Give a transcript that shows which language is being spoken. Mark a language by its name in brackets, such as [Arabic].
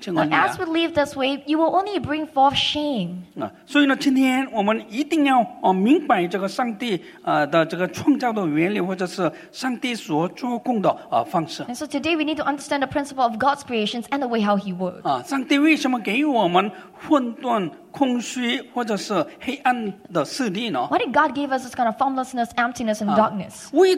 [English] As we live this way, you will only bring forth shame. [Chinese] 所以呢，今天我们一定要明白这个上帝的这个创造的原理，或者是上帝所做工的方式。 [English] And so today we need to understand the principle of God's creations and the way how He works. [Chinese] 上帝为什么给予我们 混沌、空虚或者是黑暗的势力呢？ [English] Why did God give us this kind of formlessness, emptiness, and darkness?